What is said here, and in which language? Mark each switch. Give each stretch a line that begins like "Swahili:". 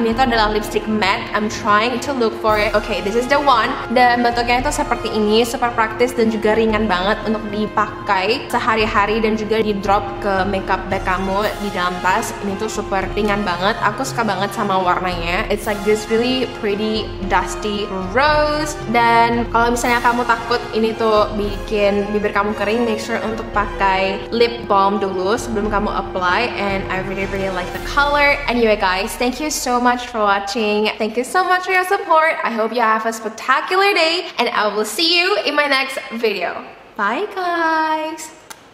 Indonesian: Ini itu adalah lipstick matte.
English: I'm trying to look for it. Okay, this is the one.
Indonesian: Dan bentuknya itu seperti ini, super praktis dan juga ringan banget untuk dipakai sehari-hari dan juga di drop ke makeup bag kamu di dalam tas. Ini tuh super ringan banget. Aku suka banget sama warnanya.
English: It's like this really pretty dusty rose.
Indonesian: Dan kalau misalnya kamu takut ini tuh bikin bibir kamu kering,
English: make sure
Indonesian: untuk pakai lip balm dulu sebelum sebelum kamu apply,
English: and I really really like the color. Anyway guys, thank you so much for watching. Thank you so much for your support. I hope you have a spectacular day, and I will see you in my next video. Bye guys.